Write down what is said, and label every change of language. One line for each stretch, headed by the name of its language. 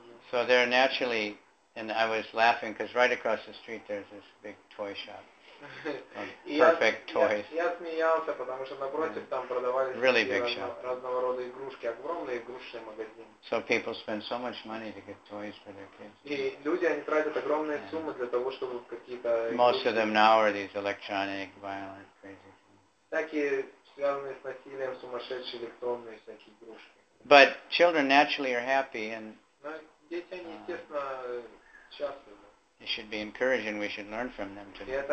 English: So they're naturally, and I was laughing because right across the street there's this big toy shop. Perfect toys.
Russian: Я смеялся, потому что напротив там продавались
English: really big shop.
Russian: Разного рода игрушки, огромные игрушечные магазины.
English: So people spend so much money to get toys for their kids.
Russian: И люди, они тратят огромные суммы для того, чтобы какие-то.
English: Most of them now are these electronic, violent, crazy things.
Russian: Такие связанные с насилием сумасшедшие электронные всякие игрушки.
English: But children naturally are happy and.
Russian: Но дети, они естественно счастливы.
English: It should be encouraging. We should learn from them to